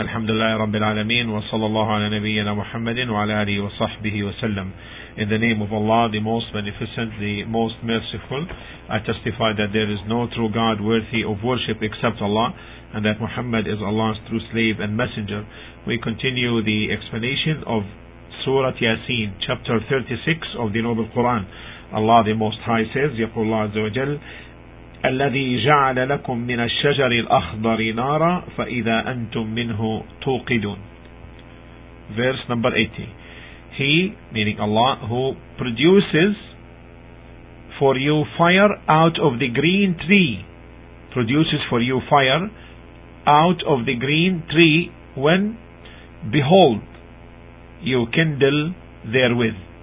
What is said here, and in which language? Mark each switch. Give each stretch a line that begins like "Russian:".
Arabic: الحمد لله رب العالمين, وصلى الله على نبينا محمد وعلى آله وصحبه وسلم.
English: In the name of Allah, the Most Beneficent, the Most Merciful, I testify that there is no true God worthy of worship except Allah, and that Muhammad is Allah's true slave and messenger. We continue the explanation of Surah Yasin, chapter 36 of the Noble Quran. Allah the Most High says,
Arabic: يقول الله عز وجل الذي جعل لكم من الشجر الأخضر نارا فإذا أنتم منه توقدون.
English: Verse number 80. He, meaning Allah, who produces for you fire out of the green tree, produces for you fire out of the green tree when, behold, you kindle therewith.